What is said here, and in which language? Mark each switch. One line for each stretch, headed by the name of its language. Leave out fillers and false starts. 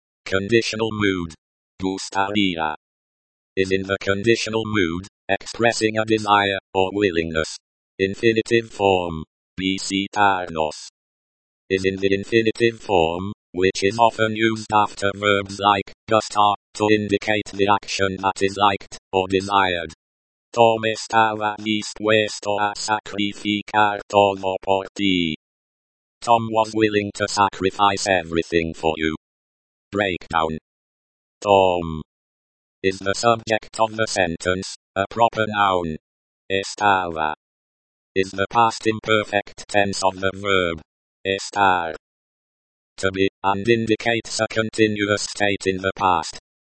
English: Conditional mood. Gustaría is in the conditional mood, expressing a desire or willingness. Infinitive form, visitarnos, is in the infinitive form, which is often used after verbs like gustar, to indicate the action that is liked or desired.
Spanish: Tom estaba dispuesto a sacrificar todo por ti.
English: Tom was willing to sacrifice everything for you. Breakdown. Tom is the subject of the sentence, a proper noun. Estaba is the past imperfect tense of the verb estar, to be, and indicates a continuous state in the past.